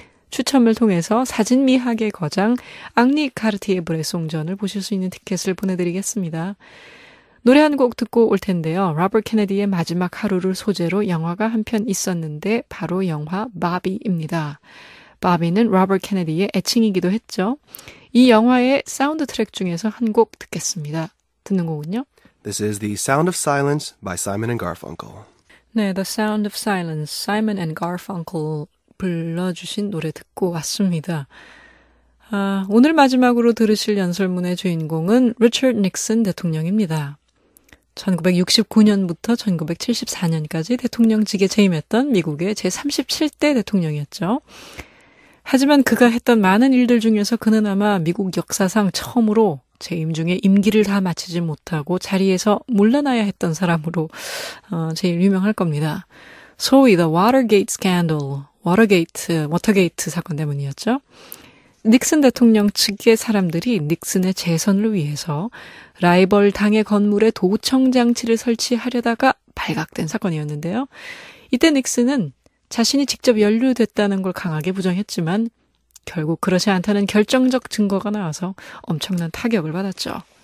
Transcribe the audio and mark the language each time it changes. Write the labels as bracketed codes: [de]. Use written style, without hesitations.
[ko] 추첨을 통해서 사진 미학의 거장 앙리 카르티에 불의 송전을 보실 수 있는 티켓을 보내드리겠습니다. 노래 한 곡 듣고 올 텐데요. 로버트 케네디의 마지막 하루를 소재로 영화가 한 편 있었는데 바로 영화 바비입니다. 바비는 로버트 케네디의 애칭이기도 했죠. 이 영화의 사운드 트랙 중에서 한 곡 듣겠습니다. 듣는 곡은요? [en] This is The Sound of Silence by Simon and Garfunkel. [ko] 네, The Sound of Silence, Simon and Garfunkel 불러주신 노래 듣고 왔습니다. 아, 오늘 마지막으로 들으실 연설문의 주인공은 리처드 닉슨 대통령입니다. 1969년부터 1974년까지 대통령직에 재임했던 미국의 제37대 대통령이었죠. 하지만 그가 했던 많은 일들 중에서 그는 아마 미국 역사상 처음으로 재임 중에 임기를 다 마치지 못하고 자리에서 물러나야 했던 사람으로 제일 유명할 겁니다. 소위 The Watergate Scandal, Watergate 사건 때문이었죠. 닉슨 대통령 측의 사람들이 닉슨의 재선을 위해서 라이벌 당의 건물에 도청 장치를 설치하려다가 발각된 사건이었는데요. 이때 닉슨은 자신이 직접 연루됐다는 걸 강하게 부정했지만 결국 그렇지 않다는 결정적 증거가 나와서 엄청난 타격을 받았죠.